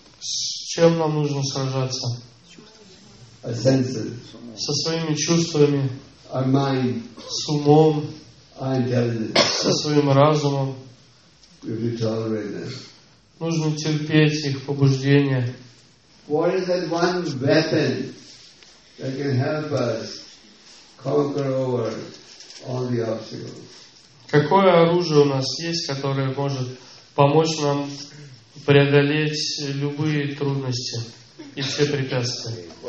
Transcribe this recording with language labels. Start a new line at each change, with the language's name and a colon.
Russian: С чем нам нужно сражаться?
English: Our senses.
Russian: Со своими чувствами.
English: Our mind.
Russian: С умом.
English: Our intelligence.
Russian: Со своим разумом.
English: We have to tolerate them.
Russian: Нужно терпеть их побуждения.
English: What is that one weapon that can help us conquer over all the obstacles?
Russian: Какое оружие у нас есть, которое может помочь нам преодолеть любые трудности и все препятствия?